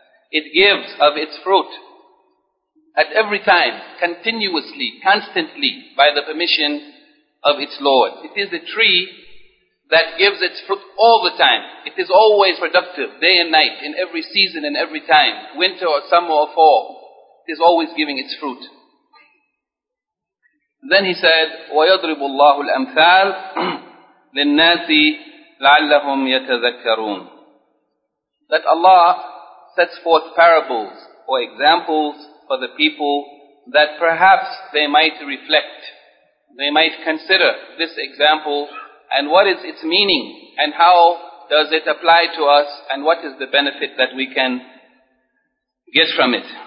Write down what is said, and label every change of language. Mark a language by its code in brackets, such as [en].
[en] It gives of its fruit at every time, continuously, constantly, by the permission of its Lord. It is a tree that gives its fruit all the time. It is always productive, day and night, in every season and every time, winter or summer or fall. It is always giving its fruit. Then he said, [ar] وَيَضْرِبُ اللَّهُ الْأَمْثَالِ لِلنَّاسِ لَعَلَّهُمْ يَتَذَكَّرُونَ. [en] That Allah sets forth parables or examples for the people, that perhaps they might reflect, they might consider this example, and what is its meaning, and how does it apply to us, and what is the benefit that we can get from it.